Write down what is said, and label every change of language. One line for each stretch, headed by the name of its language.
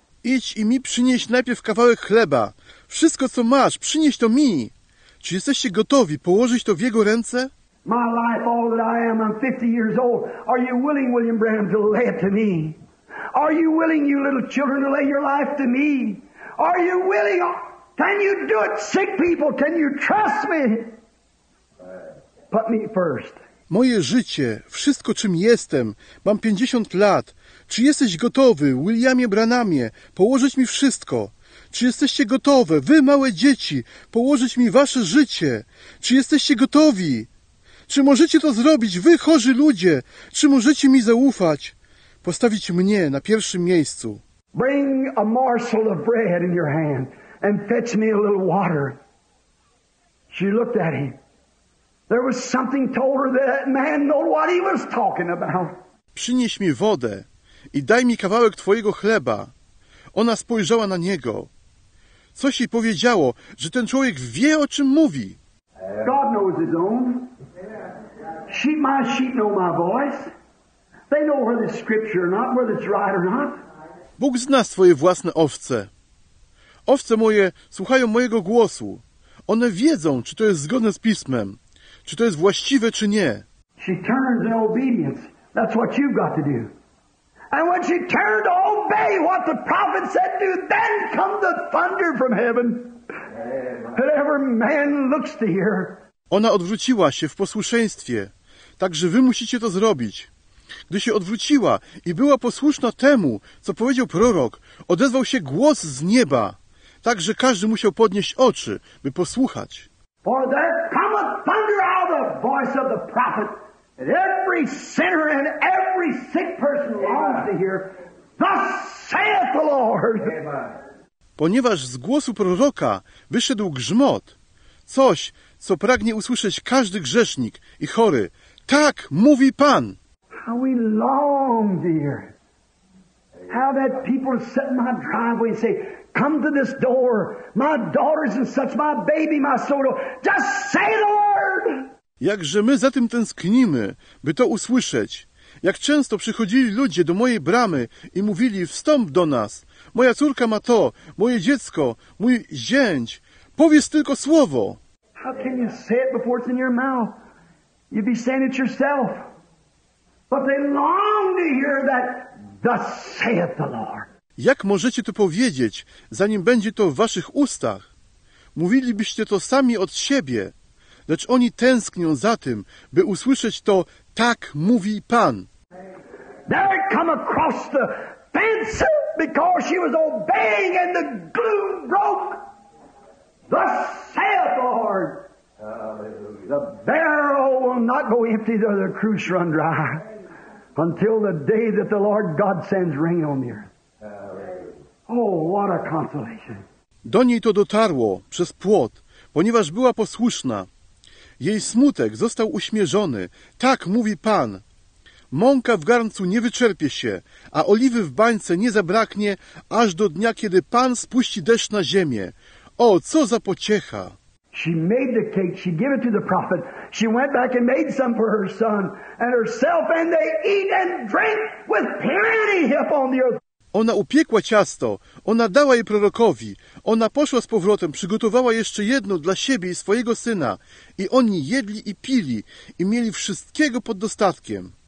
Polish: Idź i mi przynieś najpierw kawałek chleba. Wszystko, co masz, przynieś to mi. Czy jesteście gotowi położyć to w Jego ręce?
English: My life, all that I am, I'm 50 years old. Are you willing, William Branham, to lay it to me? Are you willing, you little children, to lay your life to me? Are you willing? Can you do it, sick people? Can you trust me? Put me first.
Polish: Moje życie, wszystko, czym jestem, mam 50 lat. Czy jesteś gotowy, Williamie Branhamie, położyć mi wszystko? Czy jesteście gotowe, wy małe dzieci, położyć mi wasze życie? Czy jesteście gotowi? Czy możecie to zrobić, wy chorzy ludzie? Czy możecie mi zaufać? Postawić mnie na pierwszym miejscu.
English: Bring a morsel of bread in your hand and fetch me a little water. She looked at him. There was something told her that man knew what he was talking about.
Polish: Przynieś mi wodę i daj mi kawałek twojego chleba. Ona spojrzała na niego. Coś jej powiedziało, że ten człowiek wie, o czym mówi.
English: God knows his own. Sheep, my sheep know my voice. They know whether it's scripture or not, whether it's right or not.
Polish: Bóg zna swoje własne owce. Owce moje słuchają mojego głosu. One wiedzą, czy to jest zgodne z Pismem, czy to jest właściwe, czy nie.
English: She turns in obedience. That's what you've got to do. And when she turned to obey what the prophet said to, then come the thunder from heaven. And every man looks to hear.
Polish: Ona odwróciła się w posłuszeństwie, także wy musicie to zrobić. Gdy się odwróciła i była posłuszna temu, co powiedział prorok, odezwał się głos z nieba, także każdy musiał podnieść oczy, by posłuchać.
English: For there cometh thunder out of the voice of the prophet. And every sinner and every sick person longs to hear, thus saith the Lord.
Polish: Ponieważ z głosu proroka wyszedł grzmot, coś, co pragnie usłyszeć każdy grzesznik i chory. Tak mówi Pan.
English: How we long to hear. Have had people set my driveway and say, come to this door, my daughters and such, my baby, my soul, just say the word.
Polish: Jakże my za tym tęsknimy, by to usłyszeć. Jak często przychodzili ludzie do mojej bramy i mówili, wstąp do nas. Moja córka ma to, moje dziecko, mój zięć. Powiedz tylko słowo.
English: How can you say it before it's in your mouth? You'd be saying it yourself. But they long to hear that, thus saith the Lord.
Polish: Jak możecie to powiedzieć, zanim będzie to w waszych ustach? Mówilibyście to sami od siebie. Lecz oni tęsknią za tym, by usłyszeć to, tak mówi Pan.
English: There come across the fence, because she was obeying and the gloom broke. Thus saith the Lord. The barrel will not go empty, though the cruse run dry, until the day that the Lord God sends rain on the earth. Oh, what a consolation.
Polish: Do niej to dotarło przez płot, ponieważ była posłuszna. Jej smutek został uśmierzony. Tak mówi Pan. Mąka w garncu nie wyczerpie się, a oliwy w bańce nie zabraknie, aż do dnia, kiedy Pan spuści deszcz na ziemię. O, co za pociecha!
English: She made the cake, she gave it to the prophet. She went back and made some for her son and herself, and they eat and drink with plenty upon the earth.
Polish: Ona upiekła ciasto, ona dała je prorokowi, ona poszła z powrotem, przygotowała jeszcze jedno dla siebie i swojego syna i oni jedli i pili i mieli wszystkiego pod dostatkiem.